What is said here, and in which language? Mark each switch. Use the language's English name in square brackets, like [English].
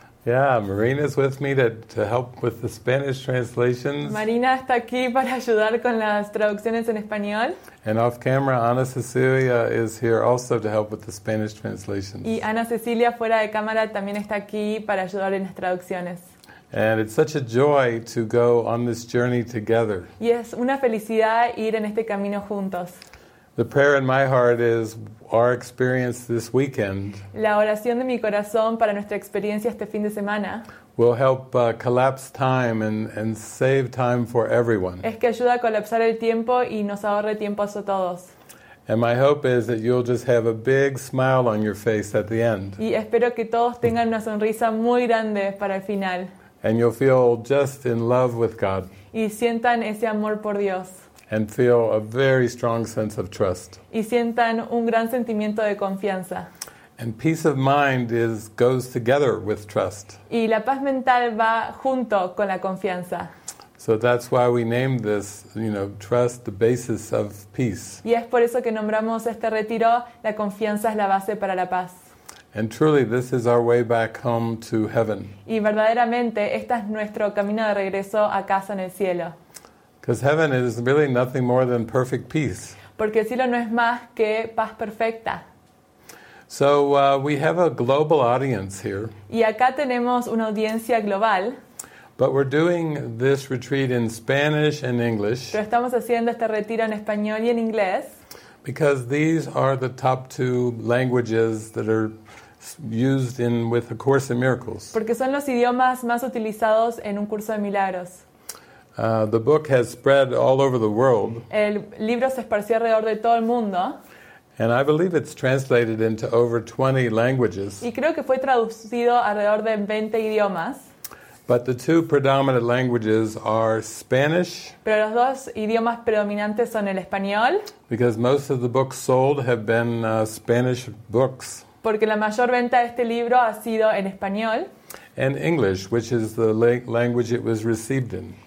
[English] Yeah, Marina's with me to help with the Spanish translations. [Spanish] Marina está aquí para ayudar con las traducciones en español. [English] And off camera, Ana Cecilia is here also to help with the Spanish translations. [Spanish] Y Ana Cecilia fuera de cámara también está aquí para ayudar en las traducciones. [English] And it's such a joy to go on this journey together. [Spanish] Y es una felicidad ir en este camino juntos. [English] The prayer in my heart is our experience this weekend. [Spanish] La oración de mi corazón para nuestra experiencia este fin de semana. [English] Will help collapse time and save time for everyone. [Spanish] Es que ayuda a colapsar el tiempo y nos ahorre tiempo a todos. [English] And my hope is that you'll just have a big smile on your face at the end. [Spanish] Y espero que todos tengan una sonrisa muy grande para el final. [English] And you'll feel just in love with God. [Spanish] Y sientan ese amor por Dios. [English] And feel a very strong sense of trust. [Spanish] Y sientan un gran sentimiento de confianza. [English] And peace of mind goes together with trust. [Spanish] Y la paz mental va junto con la confianza. [English] So that's why we named this, you know, trust the basis of peace. [Spanish] Y es por eso que nombramos este retiro, la confianza es la base para la paz. [English] And truly, this is our way back home to heaven. [Spanish] Y verdaderamente, este es nuestro camino de regreso a casa en el cielo. [English] Because heaven is really nothing more than perfect peace. [Spanish] Porque el cielo no es más que paz perfecta. [English] So we have a global audience here. [Spanish] Y acá tenemos una audiencia global. [English] But we're doing this retreat in Spanish and English. [Spanish] Pero estamos haciendo este retiro en español y en inglés. [English] Because these are the top two languages that are used with A Course in Miracles. [Spanish] Porque son los idiomas más utilizados en un curso de milagros. [English] The book has spread all over the world. [Spanish] El libro se esparció alrededor de todo el mundo. [English] And I believe it's translated into over 20 languages. [Spanish] Y creo que fue traducido alrededor de 20 idiomas. [English] But the two predominant languages are Spanish. [Spanish] Pero los dos idiomas predominantes son el español. [English] Because most of the books sold have been Spanish books. [Spanish] Porque la mayor venta de este libro ha sido en español. [English] And English, which is the language it was received in.